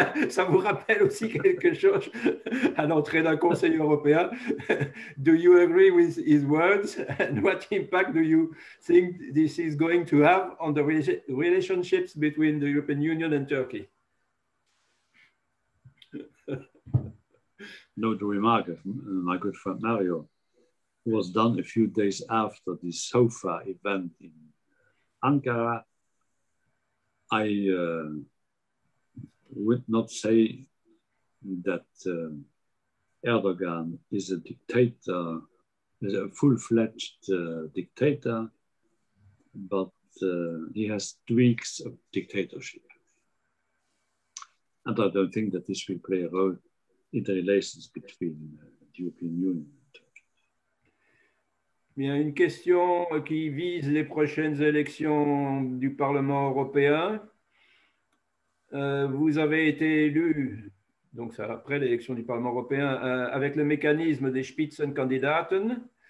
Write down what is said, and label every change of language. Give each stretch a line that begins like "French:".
French: ça vous rappelle aussi quelque chose à l'entrée d'un Conseil européen.
English: Do you agree with his words? And what impact do you think this is going to have on the relationships between the European Union and Turkey? No, the remark of my good friend Mario was done a few days after the SOFA event in Ankara. I would not say that Erdogan is a dictator, is a full-fledged dictator, but he has tweaks of dictatorship. And I don't think that this will play a role in the relations between the European Union.
French: Bien, une question qui vise les prochaines élections du Parlement européen. Vous avez été élu, donc c'est après l'élection du Parlement européen, avec le mécanisme des Spitzenkandidaten.